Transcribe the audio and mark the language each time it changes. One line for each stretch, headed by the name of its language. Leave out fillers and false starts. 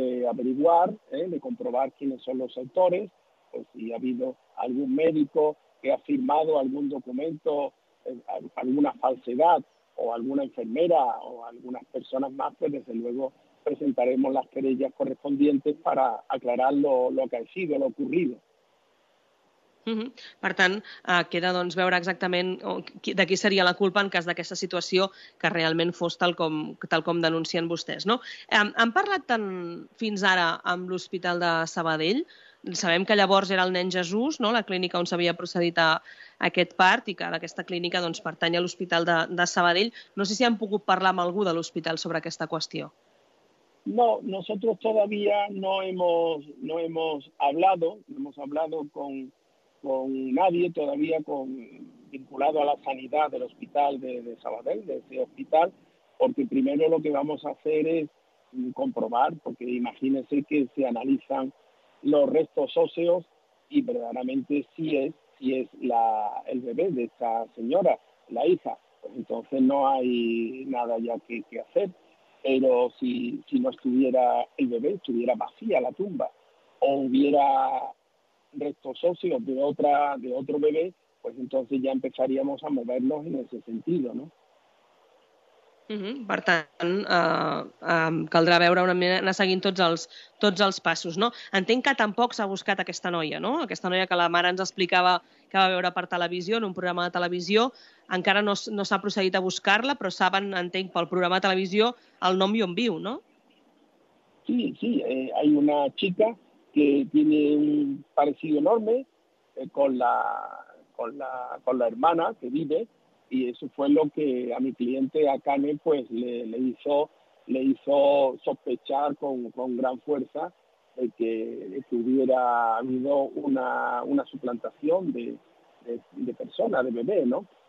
Spanish: averiguar, de comprobar quiénes son los autores, pues si ha habido algún médico que ha firmado algún documento, alguna falsedad, o alguna enfermera o algunas personas más, pues desde luego presentaremos las querellas correspondientes para aclarar lo que ha sido, lo ocurrido.
Catalan: Per tant, queda doncs veure exactament de qui seria la culpa en cas d'aquesta situació que realment fos tal com denuncien vostès, no? Han parlat tant fins ara amb l'Hospital de Sabadell. Sabem que llavors era el Nen Jesús, no? La clínica on s'havia procedit a aquest part, i que ara aquesta clínica doncs pertany a l'Hospital de Sabadell. No sé si han pogut parlar amb algú de l'hospital sobre aquesta qüestió.
Spanish: No, nosotros todavía no hemos hablado, no hemos hablado con nadie todavía vinculado a la sanidad del hospital de Sabadell, de ese hospital, porque primero lo que vamos a hacer es comprobar, porque imagínense que se analizan los restos óseos y verdaderamente sí es el bebé de esta señora, la hija, pues entonces no hay nada ya que hacer. Pero si no estuviera el bebé, estuviera vacía la tumba, o hubiera restos óseos de otro bebé, pues entonces ya empezaríamos a movernos en ese sentido, ¿no?
Catalan: Per tant, caldrà veure una mena, anar seguint tots els passos, no? Entenc que tampoc s'ha buscat aquesta noia, no? Aquesta noia que la mare ens explicava que va veure per televisió, en un programa de televisió. Encara no s'ha procedit a buscar-la, però saben, entenc, pel programa de televisió el nom i on viu, no?
Spanish: Sí, hay una chica que tiene un parecido enorme con la hermana que vive. Y eso fue lo que a mi cliente, a Cane, pues le hizo sospechar con gran fuerza de que hubiera habido una suplantación de persona, de bebé, ¿no?